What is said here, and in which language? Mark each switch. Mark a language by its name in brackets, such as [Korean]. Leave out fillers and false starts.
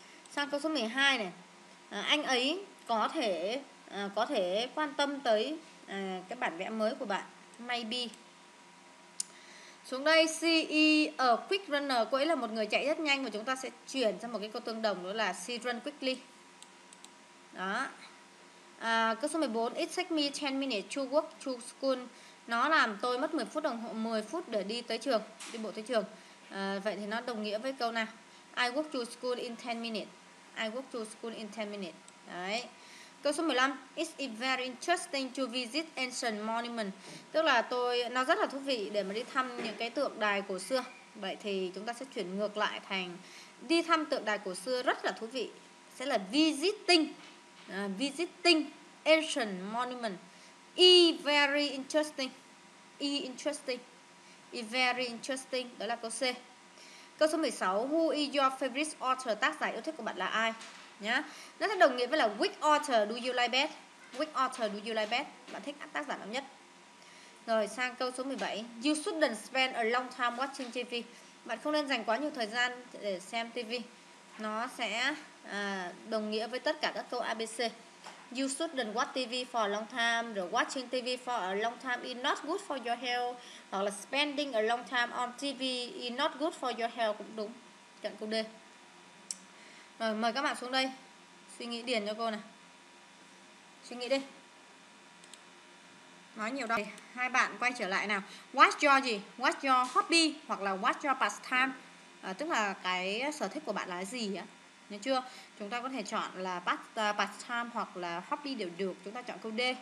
[Vietnamese] Sang câu số 12 này, anh ấy có thể quan tâm tới cái bản vẽ mới của bạn, maybe. Xuống đây, [English] she a quick runner, [Vietnamese] cô ấy là một người chạy rất nhanh, và chúng ta sẽ chuyển sang một cái câu tương đồng đó là [English] she run quickly. [Vietnamese] Đó. [English] Câu số 14, it takes me 10 minutes to walk to school. [Vietnamese] Nó làm tôi mất 10 phút đồng hồ, 10 phút để đi tới trường, đi bộ tới trường. Vậy thì nó đồng nghĩa với câu nào? [English] I walk to school in 10 minutes. I walk to school in 10 minutes. [Vietnamese] Đấy. Câu số 15, [English] it is very interesting to visit ancient monument. [Vietnamese] Tức là nó rất là thú vị để mà đi thăm những cái tượng đài cổ xưa. Vậy thì chúng ta sẽ chuyển ngược lại thành đi thăm tượng đài cổ xưa rất là thú vị, sẽ là visiting. [English] Visiting ancient monument. E very interesting. E interesting. E very interesting. [Vietnamese] Đó là câu C. Câu số 16, [English] who is your favorite author? [Vietnamese] Tác giả yêu thích của bạn là ai? Nhá. Nó sẽ đồng nghĩa với là [English] which author do you like best? Which author do you like best? [Vietnamese] Bạn thích tác giả nào nhất? Rồi sang câu số 17, [English] you shouldn't spend a long time watching TV. [Vietnamese] Bạn không nên dành quá nhiều thời gian để xem TV. Nó sẽ đồng nghĩa với tất cả các câu ABC. [English] You shouldn't watch TV for a long time. Rồi watching TV for a long time is not good for your health. [Vietnamese] Hoặc là [English] spending a long time on TV is not good for your health. [Vietnamese] Cũng đúng. Chọn câu D. Rồi mời các bạn xuống đây, suy nghĩ điền cho cô này. Suy nghĩ đi. Nói nhiều đâu. Hai bạn quay trở lại nào. Watch your gì? [English] Watch your hobby. [Vietnamese] Hoặc là [English] watch your pastime. [Vietnamese] Tức là cái sở thích của bạn là gì á, nhớ chưa? Chúng ta có thể chọn là part time hoặc là hobby đều được. Chúng ta chọn câu D.